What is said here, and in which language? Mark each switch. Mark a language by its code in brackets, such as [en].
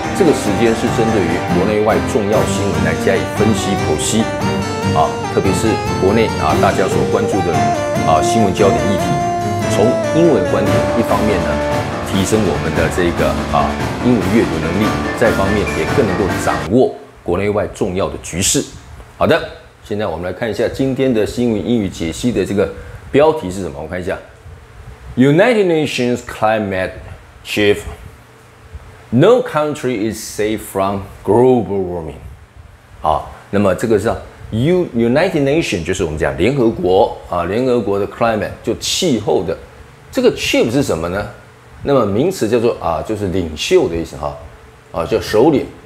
[zh] 这个时间是针对于国内外重要新闻来加以分析剖析，特别是国内大家所关注的新闻焦点议题，从英文观点一方面呢，提升我们的这个英文阅读能力，再方面也更能够掌握国内外重要的局势。好的，现在我们来看一下今天的新闻英语解析的这个标题是什么。我看一下。 [en] United Nations climate chief: No country is safe from global warming. [zh] 好，那么这个是United Nations， 就是我们讲联合国联合国的 climate 就气候的。这个 chief 是什么呢？那么名词叫做就是领袖的意思叫首领。